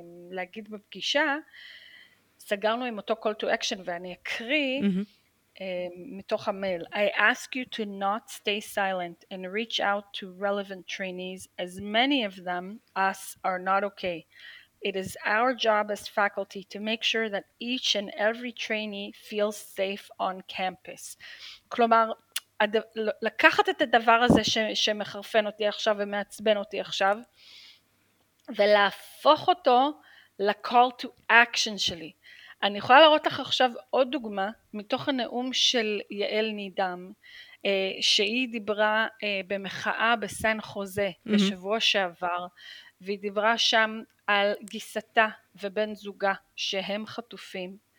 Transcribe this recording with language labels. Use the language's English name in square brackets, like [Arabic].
[Hebrew] להגיד בפגישה, סגרנו עם אותו call to action, ואני אקריא, מתוך המייל, [English] I ask you to not stay silent and reach out to relevant trainees, as many of them, us, are not okay. It is our job as faculty to make sure that each and every trainee feels safe on campus. [Hebrew] כלומר, לקחת את הדבר הזה שמחרפן אותי עכשיו ומעצבן אותי עכשיו, ולהפוך אותו ל-call to action שלי. אני יכולה להראות לך עכשיו עוד דוגמה מתוך הנאום של יעל נידם, שהיא דיברה במחאה בסן חוזה בשבוע שעבר, והיא דיברה שם על גיסתה ובן זוגה שהם חטופים,